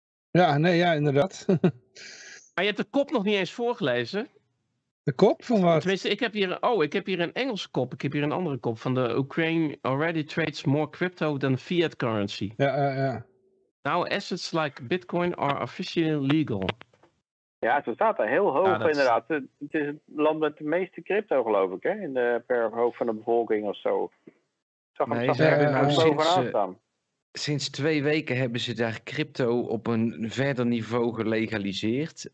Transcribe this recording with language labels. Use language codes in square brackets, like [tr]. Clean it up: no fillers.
[nl] Ja, nee, ja, inderdaad. Maar je hebt de kop nog niet eens voorgelezen. De kop van wat? Tenminste, ik heb hier, ik heb hier een Engelse kop. Ik heb hier een andere kop van de [en] Ukraine already trades more crypto than fiat currency. [nl] Ja, ja, ja. [en] Now assets like Bitcoin are officially legal. [nl] Ja, ze staat er heel hoog, ja, inderdaad. Het is het land met de meeste crypto, geloof ik, hè? In de, per hoofd van de bevolking of zo. Zag hem nee, daar nou bovenaan staan. Sinds 2 weken hebben ze daar crypto op een verder niveau gelegaliseerd.